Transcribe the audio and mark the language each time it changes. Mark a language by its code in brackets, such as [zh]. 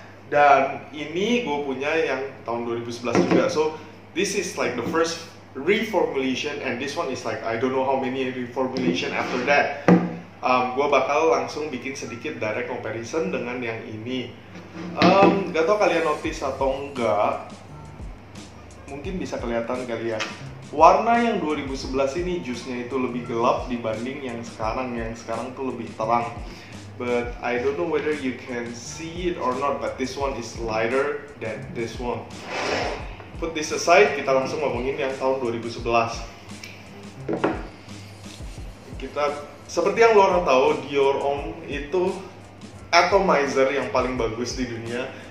[id] Dan ini gue punya yang tahun 2011 juga. [en] So this is like the first reformulation, and this one is like I don't know how many reformulation after that. [id] Gue bakal langsung bikin sedikit direct comparison dengan yang ini. Gak tau kalian notice atau enggak, mungkin bisa kelihatan kali ya, warna yang 2011 ini jusnya itu lebih gelap dibanding yang sekarang. Yang sekarang tuh lebih terang. [en] But I don't know whether you can see it or not, but this one is lighter than this one. Put this aside, [id] kita langsung ngomongin yang tahun 2011. Kita, seperti yang lo orang tahu, Dior Homme itu atomizer yang paling bagus di dunia.